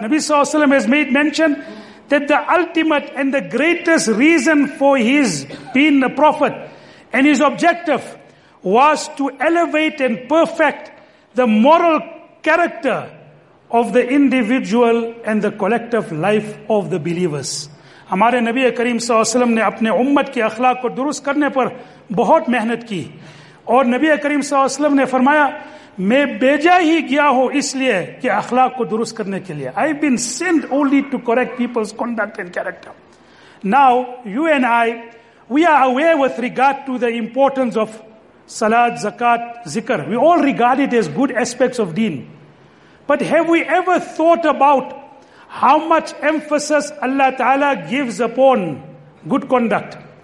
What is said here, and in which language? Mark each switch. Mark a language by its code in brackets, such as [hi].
[en] Nabi Sallallahu Alaihi Wasallam has made mention that the ultimate and the greatest reason for his being a prophet and his objective was to elevate and perfect the moral character of the individual and the collective life of the believers. [ur] ہمارے نبی کریم صلی اللہ علیہ وسلم نے اپنے امت کے اخلاق کو درست کرنے پر بہت محنت کی, اور نبی کریم صلی اللہ علیہ وسلم نے فرمایا, میں بھیجا ہی گیا ہوں اس لیے کہ اخلاق کو درست کرنے کے لیے. [en] I've been sent only to correct people's conduct and character. Now, you and I, we are aware with regard to the importance of salat, zakat, zikr. We all regard it as good aspects of deen. But have we ever thought about how much emphasis Allah Ta'ala gives upon good conduct?